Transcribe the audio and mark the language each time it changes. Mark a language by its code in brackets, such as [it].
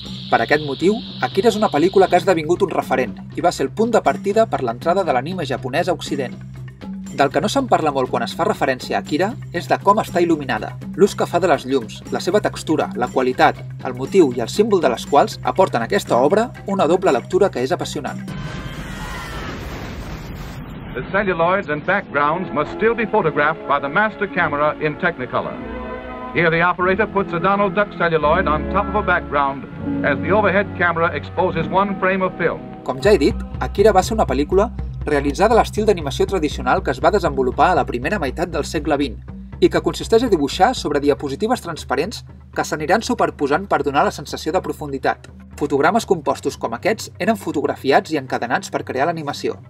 [ca] Per aquest motiu, Akira és una pel·lícula que ha esdevingut un referent i va ser el punt de partida per l'entrada de l'anime japonès a Occident. Del que no se'n parla molt quan es fa referència a Akira és de com està il·luminada, l'ús que fa de les llums, la seva textura, la qualitat, el motiu i el símbol de les quals aporten a aquesta obra una doble lectura que és apassionant. [en] The celluloids and backgrounds must still be photographed by the master camera in Technicolor. Here the operator puts a Donald Duck celluloid on top of a background as the overhead camera exposes one frame of film. [ca] Com ja he dit, Akira va ser una pel·lícula realitzada a l'estil d'animació tradicional que es va desenvolupar a la primera meitat del segle XX i que consisteix a dibuixar sobre diapositives transparents que s'aniran superposant per donar la sensació de profunditat. Fotogrames compostos com aquests eren fotografiats i encadenats per crear l'animació.